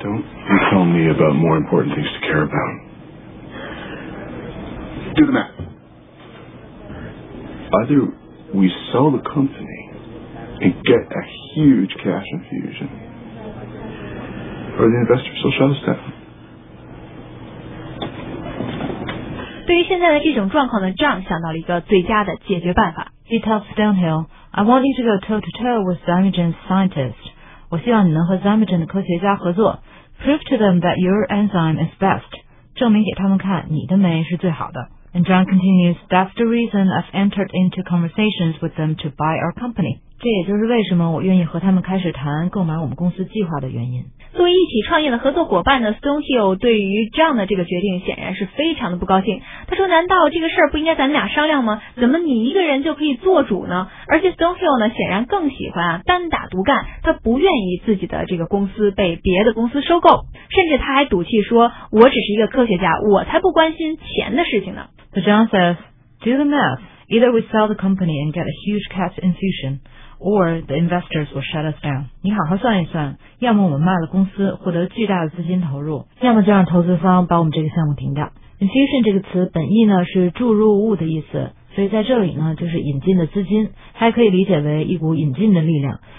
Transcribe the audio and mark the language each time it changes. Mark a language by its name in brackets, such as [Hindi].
[English] Don't you tell me about more important things to care about. Do the math. Either we sell the company and get a huge cash infusion, or the investors will shut us down. [Chinese] 对于现在的这种状况呢，John想到了一个最佳的解决办法。 [English] He tells Stonehill, I want you to go toe-to-toe with Zymergen's scientists. [Chinese] 我希望你能和 Zymergen 的科学家合作。 [English] Prove to them that your enzyme is best. [Chinese] 证明给他们看你的酶是最好的。 [English] And John continues, that's the reason I've entered into conversations with them to buy our company. [Chinese] 这也就是为什么我愿意和他们开始谈购买我们公司计划的原因。作为一起创业的合作伙伴呢 ,Stonehill 对于这样的这个决定显然是非常的不高兴。他说难道这个事儿不应该咱们俩商量吗？怎么你一个人就可以做主呢？而且 Stonehill 呢显然更喜欢单打独干，他不愿意自己的这个公司被别的公司收购。甚至他还赌气说，我只是一个科学家，我才不关心钱的事情呢。 [English] So John says, do the math. Either we sell the company and get a huge cash infusion. Or the investors will shut us down. [Chinese] 你好好算一算，要么我们卖了公司，获得巨大的资金投入，要么就让投资方把我们这个项目停掉。 Infusion 这个词本意呢是注入物的意思，所以在这里呢就是引进的资金，还可以理解为一股引进的力量。